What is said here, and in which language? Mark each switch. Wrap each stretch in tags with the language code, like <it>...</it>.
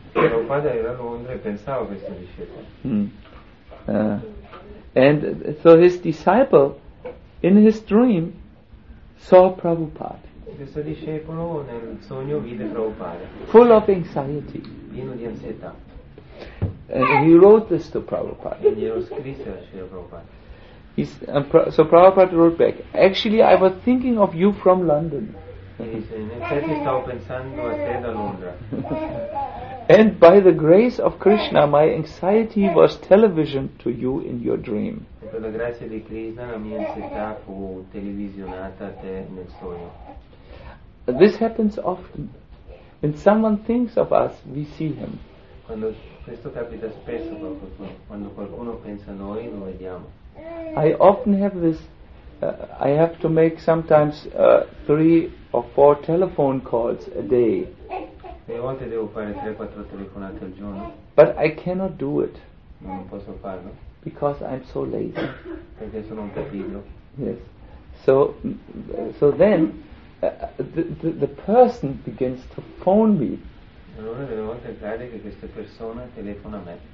<it>Prabhupada era a Londra e pensava a questo discepolo.</it> <en>And so his disciple, in his dream, saw Prabhupada.</en> <it>Questo discepolo nel sogno vide Prabhupada.</it> <en>Full of anxiety.</en> <it>Pieno di ansietà.</it> <en>And he wrote this to Prabhupada.</en> <it>E glielo scrisse a Srila Prabhupada.</it> <en>So Prabhupada wrote back, actually I was thinking of you from London.</en> <it>In effetti stavo pensando a te da Londra.</it> <en>And by the grace of Krishna, my anxiety was television to you in your dream.</en> <it>Per la grazia di Krishna, la mia ansietà fu televisionata a te nel sogno.</it> <en>This happens often. When someone thinks of us, we see him.</en> <it>Quando questo capita spesso, quando qualcuno pensa a noi, lo vediamo.</it> <en>I often have this. I have to make sometimes three or four telephone calls a day.</en> <it>A volte devo fare 3-4 telefonate al giorno.</it> <en>But I cannot do it.</en> <it>Non posso farlo.</it> <en>Because I'm so lazy.</en> <it>Perché sono un pigro.</it> <en>Yes. So then the person begins to phone me.</en> <it>Allora delle volte accade che questa persona telefona a me.</it>